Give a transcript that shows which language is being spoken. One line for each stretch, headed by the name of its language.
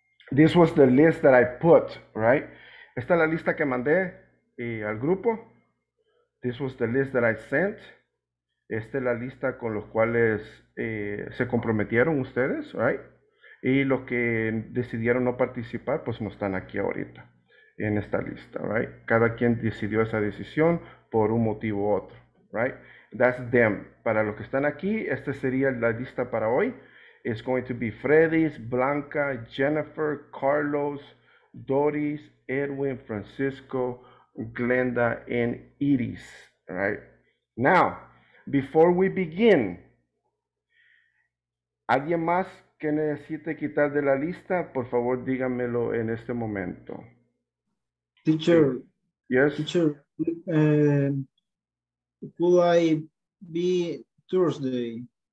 English: This was the list that I put, right?
Spanish: Esta es la lista que mandé al grupo.
English: This was the list that I sent.
Spanish: Esta es la lista con los cuales se comprometieron ustedes, right? Y los que decidieron no participar, pues no están aquí ahorita en esta lista, right? Cada quien decidió esa decisión por un motivo u otro, right?
English: That's them.
Spanish: Para los que están aquí, esta sería la lista para hoy.
English: It's going to be Freddy's, Blanca, Jennifer, Carlos, Doris, Edwin, Francisco, Glenda, and Iris, right? Now, before we begin,
Spanish: ¿alguien más que necesite quitar de la lista? Por favor, díganmelo en este momento.
English: Teacher. Yes? Teacher, could I be Thursday?